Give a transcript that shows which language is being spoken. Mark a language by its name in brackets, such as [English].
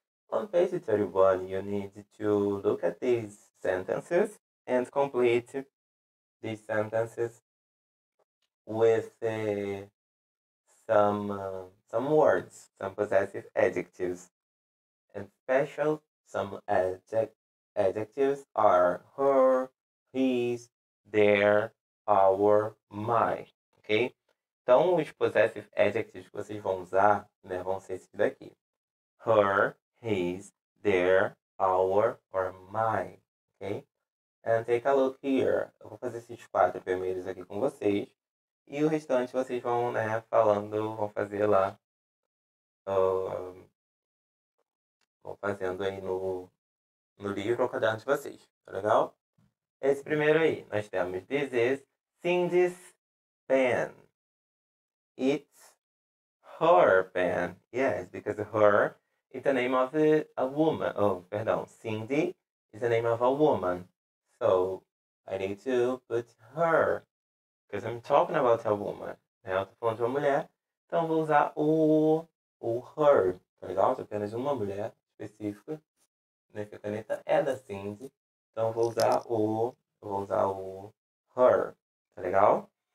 [English] On page 31, you need to look at these sentences and complete these sentences with some words, some possessive adjectives. And special, some adjectives are her, his, their, our, my. Ok? [Portuguese] Então, os possessive adjectives que vocês vão usar, né, vão ser esses daqui. [English] Her, his, their, our, or my. Ok? And take a look here. [Portuguese] Eu vou fazer esses quatro primeiros aqui com vocês. E o restante vocês vão, né, falando, vão fazer lá. Vão fazendo aí no livro ou caderno de vocês. Tá legal? Esse primeiro aí. Nós temos, [English] this is Cindy's pen. It's her pen. Yes, because her is the name of a woman. [Portuguese] Oh, perdão. [English] Cindy is the name of a woman. So, I need to put her, because I'm talking about a woman, né? [Portuguese] Eu tô falando de uma mulher, então eu vou usar o her, tá legal? Tô apenas uma mulher específica, né? Que a caneta é da Cindy, então eu vou usar o her, tá legal?